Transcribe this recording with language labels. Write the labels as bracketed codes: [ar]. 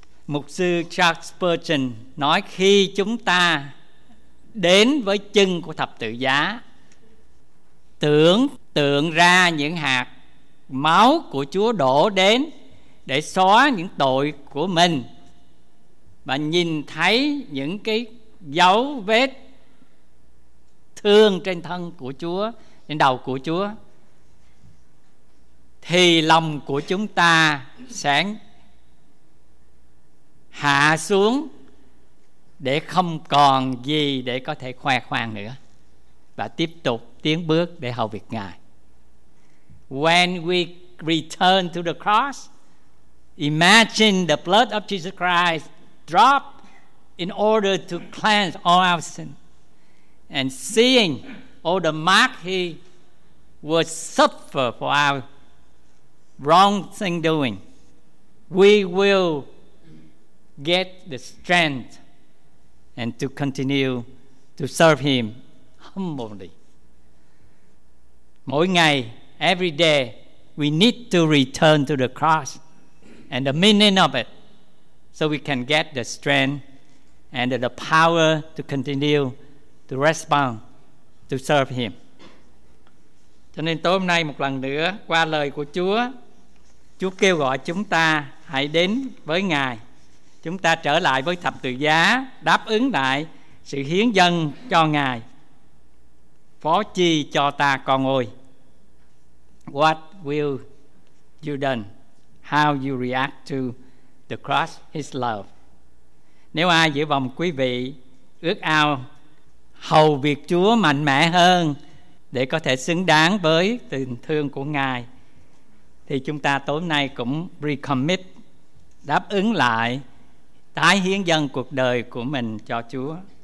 [vi] Mục sư Charles Spurgeon nói khi chúng ta đến với chân của thập tự giá, tưởng tượng ra những hạt máu của Chúa đổ đến để xóa những tội của mình, và nhìn thấy những cái dấu vết thương trên thân của Chúa, trên đầu của Chúa, thì lòng của chúng ta sẽ hạ xuống để không còn gì để có thể khoe khoang nữa, và tiếp tục tiến bước để hầu việc Ngài. [en] When we return to the cross, imagine the blood of Jesus Christ drop in order to cleanse all our sin, and seeing all the mark he would suffer for our wrong thing doing, we will get the strength and to continue to serve him humbly. [vi] Mỗi ngày, [en] every day, we need to return to the cross and the meaning of it, so we can get the strength and the power to continue to respond to serve him. [vi] Cho nên tối hôm nay một lần nữa, qua lời của Chúa, Chúa kêu gọi chúng ta hãy đến với Ngài. Chúng ta trở lại với thập tự giá, đáp ứng lại sự hiến dâng cho Ngài. Phó chi cho ta con ơi? [en] What will you done? How you react to the cross, his love? [vi] Nếu ai giữa vòng quý vị ước ao hầu việc Chúa mạnh mẽ hơn để có thể xứng đáng với tình thương của Ngài, thì chúng ta tối nay cũng recommit, đáp ứng lại, tái hiến dâng cuộc đời của mình cho Chúa.